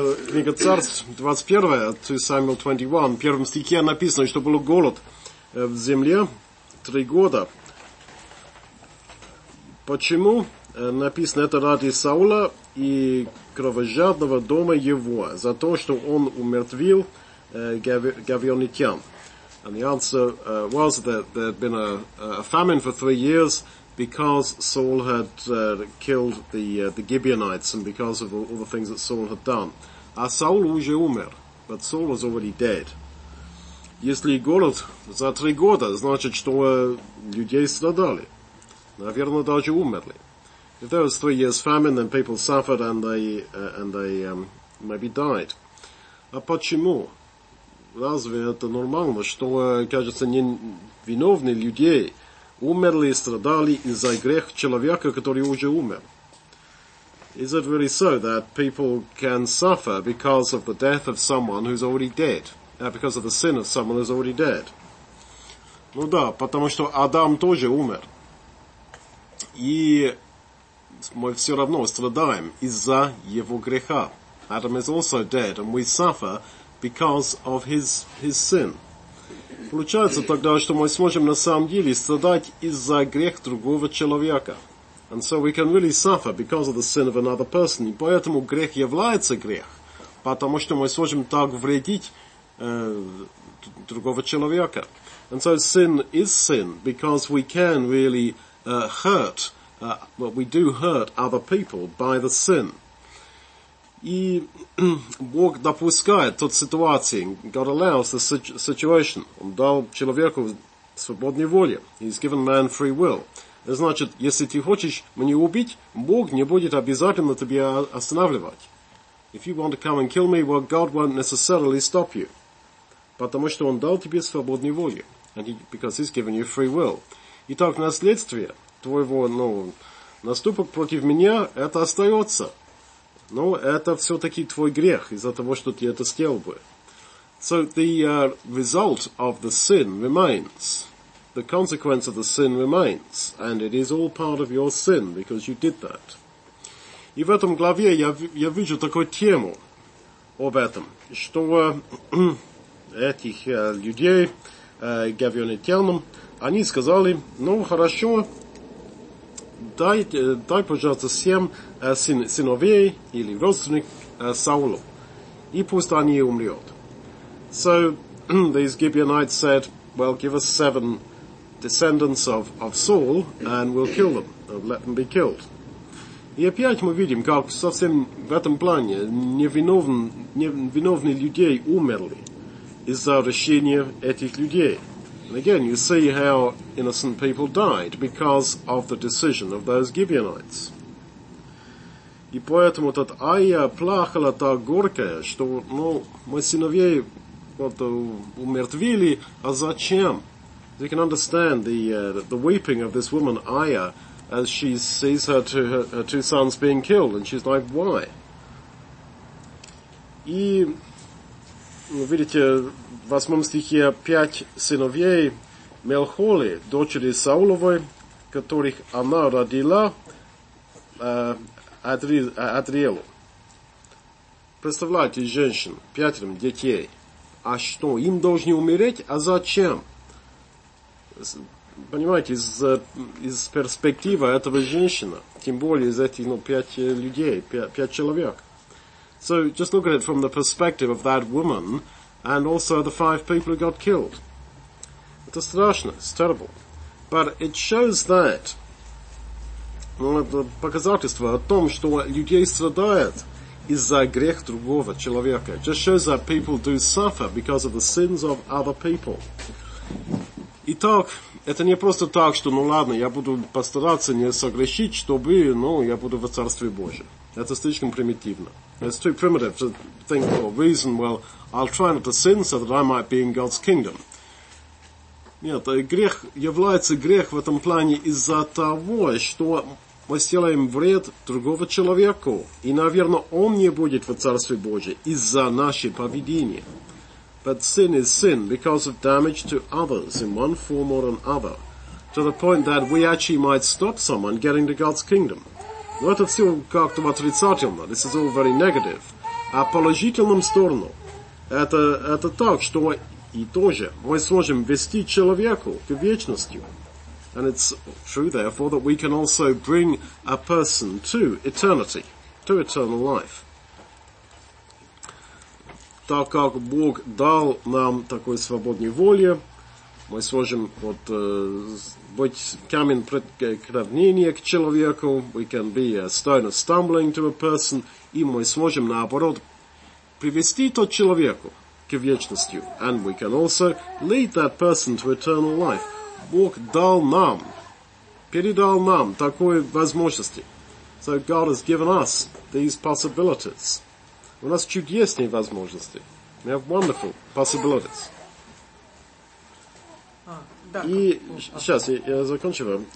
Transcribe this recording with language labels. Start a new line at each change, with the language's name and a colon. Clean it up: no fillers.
Russian: Книга Царств, 21, Самуил 21, в первом стихе написано, что был голод в земле 3 года. Почему написано это ради Саула и кровожадного дома его? За то, что он умертвил гавионитян.
English: And the answer was that there had been a famine for 3 years because Saul had killed the Gibeonites and because of all the things that Saul had done.
Russian: А Саул уже умер,
English: but Saul was already dead.
Russian: Если голод за 3 года, значит, что людей страдали. Наверное, даже умерли.
English: If there was 3 years famine, then people suffered and they maybe died.
Russian: А почему? Разве это нормально, что, кажется, невиновные людей умерли и страдали из-за грех человека, который уже умер?
English: Is it really so that people can suffer because of the death of someone who's already dead? Because of the sin of someone who's already dead?
Russian: Ну да, потому что Адам тоже умер. И мы все равно страдаем из-за его греха.
English: Adam is also dead, and we suffer because of his sin.
Russian: Получается тогда, что мы сможем на самом деле страдать из-за грех другого человека.
English: And so we can really suffer because of the sin of another person.
Russian: И поэтому грех является грех, потому что мы сможем так вредить другого человека.
English: And so sin is sin because we can really hurt, but we do hurt other people by the sin.
Russian: И Бог допускает тот ситуации.
English: God allows the situation.
Russian: Он дал человеку свободную волю.
English: He's given man free will.
Russian: Это значит, если ты хочешь меня убить, Бог не будет обязательно тебя останавливать.
English: If you want to come and kill me, well, God won't necessarily stop you.
Russian: Потому что он дал тебе свободную волю.
English: And because he's given you free will.
Russian: Итак, наследствие твоего, ну, наступок против меня, это остается. Но это все-таки твой грех из-за того, что ты это сделал бы.
English: So the result of the sin remains. The consequence of the sin remains. And it is all part of your sin, because you did that.
Russian: И в этом главе я вижу такую тему об этом, что этих людей, гавионитянам, они сказали, ну хорошо, дай, пожалуйста, всем сыновей или родственник Саулу, и пусть они умрет.
English: So these Gibeonites said, well, give us 7 descendants of Saul, and we'll kill them, let them be killed.
Russian: И опять мы видим, как совсем в этом плане невиновные людей умерли из-за решения этих людей.
English: And again, you see how innocent people died because of the decision of those Gibeonites.
Russian: И поэтому тут Айя плакала так горько, что, ну, мы сыновей вот умертвили, а зачем?
English: You can understand the weeping of this woman Aya as she sees her two sons being killed, and she's like, why?
Russian: И вы видите, в 8 стихе 5 сыновей Мелхоли, дочери Сауловой, которых она родила Адриэлу. Представляете, женщин, 5 детей. А что, им должны умереть? А зачем? Понимаете, из перспективы этого женщина, тем более из этих, ну, 5 людей, 5 человек.
English: So, just look at it from the perspective of that woman and also the 5 people who got killed.
Russian: Это страшно,
English: it's terrible. But it shows that,
Russian: ну, это показательство о том, что людей страдает из-за грех другого человека.
English: It just shows that people do suffer because of the sins of other people.
Russian: Итак, это не просто так, что, ну ладно, я буду постараться не согрешить, чтобы, ну, я буду в Царстве Божьем. Это слишком примитивно.
English: It's too primitive to think for a reason, well, I'll try not to sin so that I might be in God's kingdom.
Russian: Нет, грех является грех в этом плане из-за того, что мы сделаем вред другого человеку, и, наверное, он не будет в Царстве Божьем из-за наше поведение.
English: But sin is sin because of damage to others in one form or another, to the point that we actually might stop someone getting to God's kingdom.
Russian: Но это все как-то отрицательно.
English: This is all very negative.
Russian: о положительном сторону. Это так, что и тоже мы сможем вести человеку к вечности.
English: And it's true, therefore, that we can also bring a person to eternity, to eternal life.
Russian: Так как Бог дал нам такой свободной воли, мы сможем вот, быть камень преткновения к человеку,
English: we can be a stone of stumbling to a person,
Russian: и мы сможем, наоборот, привести тот человеку к вечности.
English: And we can also lead that person to eternal life.
Russian: Бог дал нам, передал нам такой возможности.
English: So God has given us these possibilities.
Russian: У нас чудесные возможности.
English: We have wonderful possibilities.
Russian: И сейчас я закончу вам.